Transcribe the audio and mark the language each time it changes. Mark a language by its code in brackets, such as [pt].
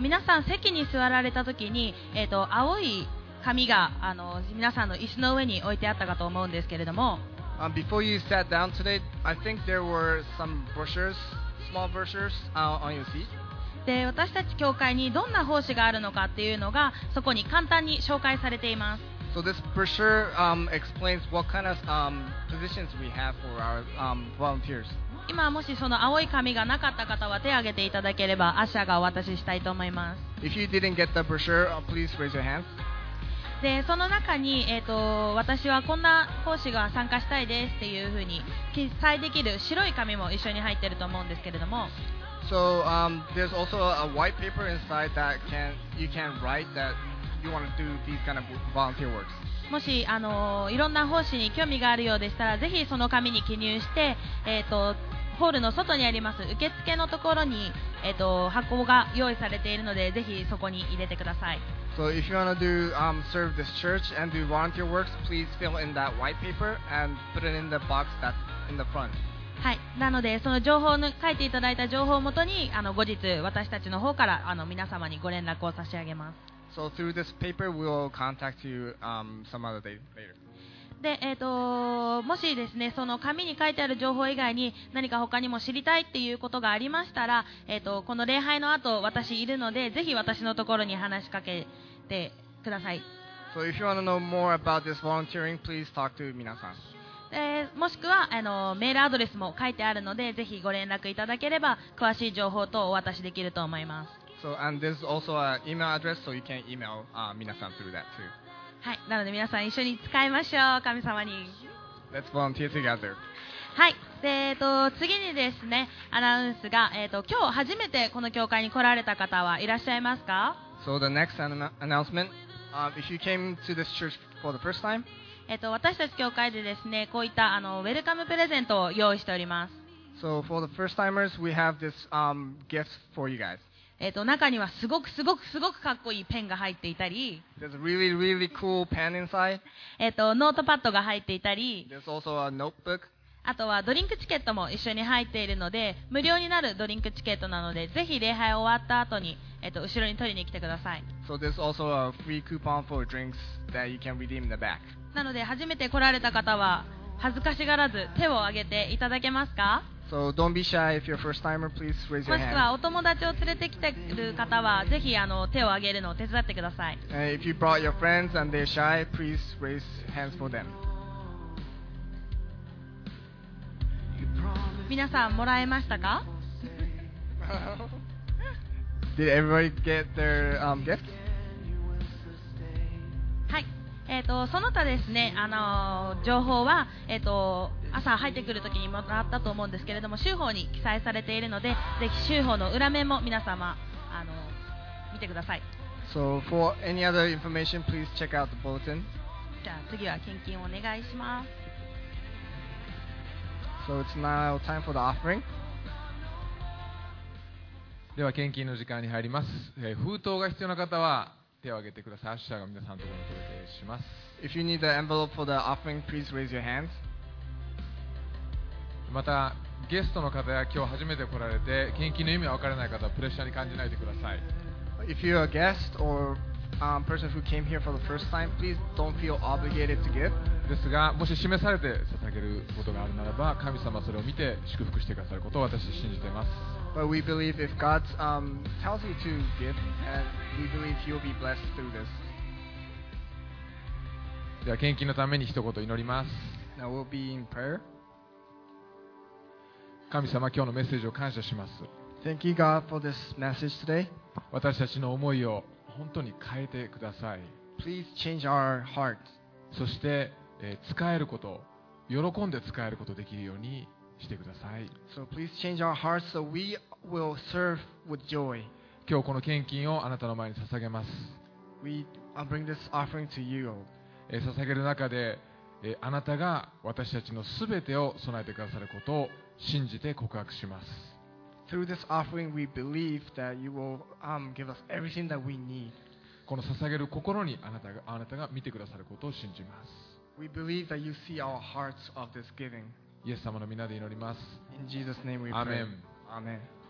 [ja] 皆さん席に座られた時に、青い紙が皆さんの椅子の上に置いてあったかと思うんですけれども。 [en] Before you sat down today, I think there were some brochures, small brochures, on your seat. [ja] で、私たち教会にどんな奉仕があるのかっていうのがそこに簡単に紹介されています。 [en] So this brochure explains what kind of positions we have for our volunteers. [ja] 今もしその青い紙がなかった方は手を挙げていただければ、アシャがお渡ししたいと思います。 [en] If you didn't get the brochure, please raise your hand. [ja] で、その中に、私はこんな講師が参加したいですっていうふうに記載できる白い紙も一緒に入ってると思うんですけれども。 [en] So there's also a white paper inside that can you can write that. You want to do these kind of volunteer works. [ja] もしいろんな奉仕に興味があるようでしたら、ぜひその紙に記入して、ホールの外にあります受付のところに、箱が用意されているので、ぜひそこに入れてください。 [en] So if you want to do serve this church and do volunteer works, please fill in that white paper and put it in the box that's in the front. [ja] はい。なのでその情報の書いていただいた情報をもとに後日私たちの方から皆様にご連絡を差し上げます。 [en] So through this paper, we'll contact you some other day later. [ja] で、もしですね、その紙に書いてある情報以外に何か他にも知りたいっていうことがありましたら、この礼拝の後私いるので、ぜひ私のところに話しかけてください。 [en] So if you want to know more about this volunteering, please talk to [ja] 皆さん。もしくはメールアドレスも書いてあるので、ぜひご連絡いただければ詳しい情報とお渡しできると思います。 [en] So, and there's also an email address, so you can email [ja] 皆さん [en] through that too. [ja] はい、なので皆さん一緒に使いましょう、神様に。 [en] Let's volunteer together. [ja] はい、次にですね、アナウンスが、今日初めてこの教会に来られた方はいらっしゃいますか？ [en] So the next announcement, if you came to this church for the first time, [ja] 私たち教会でですね、こういったウェルカムプレゼントを用意しております。 [en] So for the first timers, we have this gift for you guys. [ja] 中にはすごくすごくすごくかっこいいペンが入っていたり、 [en] There's a really, really cool pen inside. [ja] ノートパッドが入っていたり、 [en] There's also a notebook. [ja] あとはドリンクチケットも一緒に入っているので、無料になるドリンクチケットなので、ぜひ礼拝終わった後に、後ろに取りに来てください。 [en] So there's also a free coupon for drinks that you can redeem in the back. [ja] なので初めて来られた方は恥ずかしがらず手を挙げていただけますか？ [en] So don't be shy if you're a first timer, please raise your hand. [ja] もしくはお友達を連れてきてる方はぜひ手を挙げるのを手伝ってください。 [en] If you brought your friends and they're shy, please raise hands for them. [ja] 皆さんもらえましたか？ [en] Did everybody get their gift? [ja] はい。その他ですね、情報は朝入ってくるときにもらったと思うんですけれども、週報に記載されているので、ぜひ週報の裏面も皆様見てください。 [en] So for any other information, please check out the bulletin. [ja] じゃあ次は献金をお願いします。 [en] So it's now time for the offering. [ja] では献金の時間に入ります、封筒が必要な方は手を挙げてください。アッシャーが皆さんのところにお届けします。 [en] If you need the envelope for the offering, please raise your hands. [ja] またゲストの方や今日初めて来られて献金の意味が分からない方はプレッシャーに感じないでください。 [en] If you're a guest or a person who came here for the first time, please don't feel obligated to give. [ja] ですがもし示されて捧げることがあるならば神様はそれを見て祝福してくださることを私信じています。 [en] But we believe if God tells you to give, and we believe He'll be blessed through this. [ja] では献金のために一言祈ります。 [en] Now we'll be in prayer. [ja] 神様、今日のメッセージを感謝します。 [en] Thank you, God, for this message today. [ja] 私たちの思いを本当に変えてください。 [en] Please change our hearts. [ja] そして、使えること、喜んで使えることができるように。してください。 [en] So please change our hearts so we will serve with joy. [ja] 今日この献金をあなたの前に捧げます。 [en] We bring this offering to you. [ja] 捧げる中で、あなたが私たちのすべてを備えてくださることを信じて告白します。 [en] Through this offering, we believe that you will give us everything that we need. [ja] この捧げる心にあなたが見てくださることを信じます。 [en] We believe that you see our hearts of this giving. [ja] イエス様の皆で祈ります。 [en] In Jesus name we pray. [ja] アーメン。アーメン。